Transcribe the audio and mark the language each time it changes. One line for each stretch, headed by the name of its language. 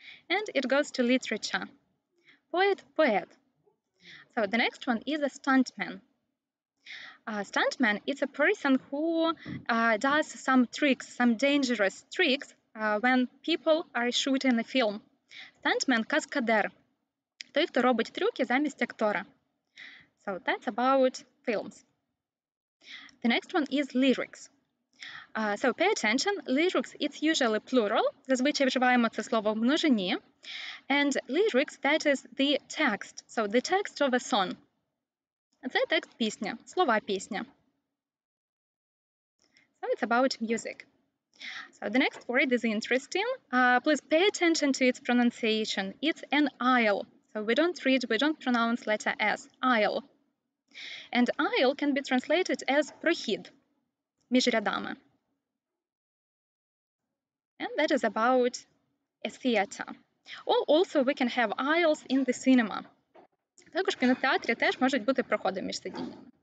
English: And it goes to literature. Poet, poet. So the next one is a stuntman. Stuntman is a person who does some tricks, some dangerous tricks when people are shooting a film.
Ukrainian: Stuntman – каскадер. Той, хто робить трюки замість актора.
English: So that's about films. The next one is lyrics. So pay attention, lyrics, it's usually plural.
Ukrainian: Зазвичай вживаємо це слово в множині.
English: And lyrics, that is the text. So the text of a song.
Ukrainian: Це текст пісня, слова пісня.
English: So it's about music. So the next word is interesting. Please pay attention to its pronunciation. It's an aisle. So we don't read, we don't pronounce letter S. Aisle. And aisle can be translated as
Ukrainian: прохід, між рядами.
English: And that is about a theater. Or also we can have aisles in the cinema.
Ukrainian: Також в кінотеатрі теж можуть бути проходи між сидіннями.